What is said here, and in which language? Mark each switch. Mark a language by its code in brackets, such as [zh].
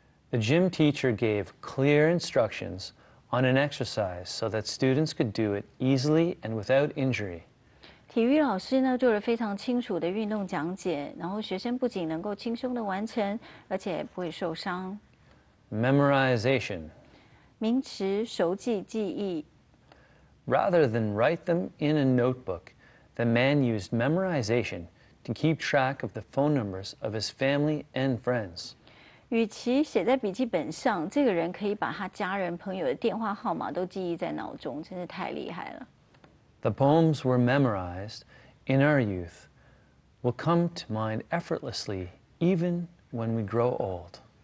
[en] The gym teacher gave clear instructions on an exercise so that students could do it easily and without injury. [zh] 体育老师呢，做了非常清楚的运动讲解，然后学生不仅能够轻松地完成，而且不会受伤。 [en] Memorization. [zh] 名词熟记记忆. [en] Rather than write them in a notebook, the man used memorization to keep track of the phone numbers of his family and friends. [zh] 与其写在笔记本上，这个人可以把他家人、朋友的电话号码都记忆在脑中，真是太厉害了。 [en] The poems were memorized in our youth will come to mind effortlessly even when we grow old.